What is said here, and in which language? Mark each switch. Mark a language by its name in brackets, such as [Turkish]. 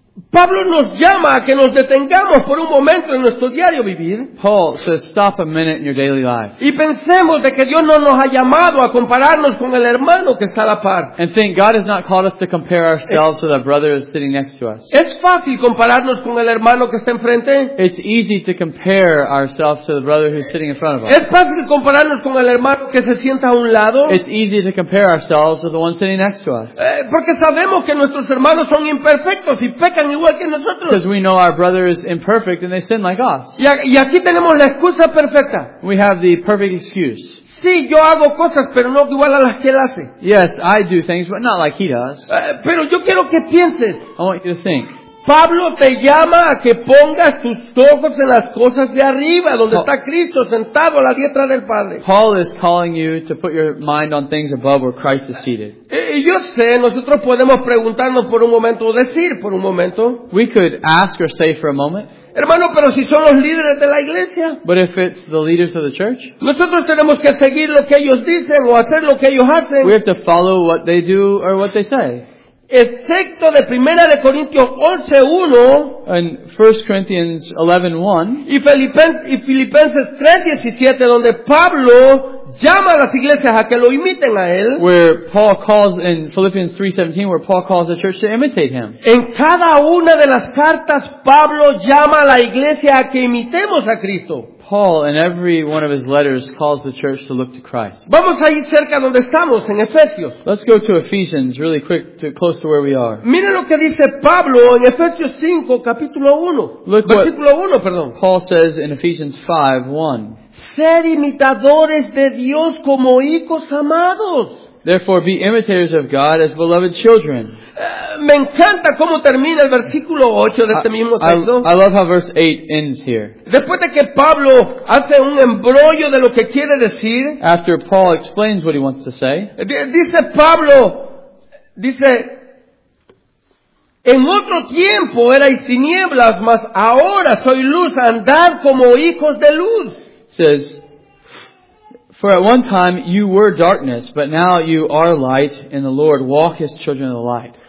[Spanish] Pablo nos llama a que nos detengamos por un momento en nuestro diario vivir. [English] Paul says, stop a minute in your daily life. [Spanish] Y pensemos de que Dios no nos ha llamado a compararnos con el hermano que está a la par. [English] And think, God has not called us to compare ourselves with our brother who's sitting next to us. [Spanish] Es fácil compararnos con el hermano que está enfrente. [English] It's easy to compare ourselves to the brother who's sitting in front of us. [Spanish] Es fácil compararnos con el hermano que se sienta a un lado. [English] It's easy to compare ourselves to the one sitting next to us. [Spanish] Porque sabemos que nuestros hermanos son imperfectos y pecan. [English] Because we know our brother is imperfect and they sin like us. [Spanish] Y aquí tenemos la excusa perfecta. [English] We have the perfect excuse. [Spanish] Sí, yo hago cosas, pero no igual a las que él hace. [English] Yes, I do things, but not like he does. [Spanish] Pero yo quiero que pienses. [English] I want you to think. [Spanish] Pablo te llama a que pongas tus ojos en las cosas de arriba, donde está Cristo sentado a la diestra del Padre. [English] Paul is calling you to put your mind on things above where Christ is seated. [Spanish] Y yo sé, nosotros podemos preguntarnos por un momento, o decir por un momento. [English] We could ask or say for a moment. [Spanish] Hermano, pero si son los líderes de la iglesia. [English] But if it's the leaders of the church. [Spanish] Nosotros tenemos que seguir lo que ellos dicen o hacer lo que ellos hacen. [English] We have to follow what they do or what they say. [Spanish] Excepto de Primera de Corintios 11:1 [English] and 1 Corinthians 11:1 [Spanish] y Filipenses 3:17 donde Pablo llama a las iglesias a que lo imiten a él. [English] Where Paul calls in Philippians 3:17 where Paul calls the church to imitate him. [Spanish] En cada una de las cartas Pablo llama a la iglesia a que imitemos a Cristo. [English] Paul, in every one of his letters, calls the church to look to Christ. [Spanish] Vamos ahí cerca donde estamos, en Efesios. [English] Let's go to Ephesians really quick, to close to where we are. [Spanish] Mira lo que dice Pablo en Efesios 5, capítulo 1. [English] Look [Spanish] versículo [English] what [Spanish] 1, perdón. [English] Paul says in Ephesians 5, 1. [Spanish] Ser imitadores de Dios como hijos amados. [English] Therefore, be imitators of God as beloved children. [Spanish] Me encanta cómo termina el versículo 8 de este mismo texto. [English] I love how verse 8 ends here. [Spanish] Después de que Pablo hace un embrollo de lo que quiere decir, [English] after Paul explains what he wants to say, [Spanish] dice Pablo, en otro tiempo erais tinieblas, mas ahora soy luz, andad como hijos de luz. [English] Says, For at one time you were darkness, but now you are light in the Lord. Walk as children of the light.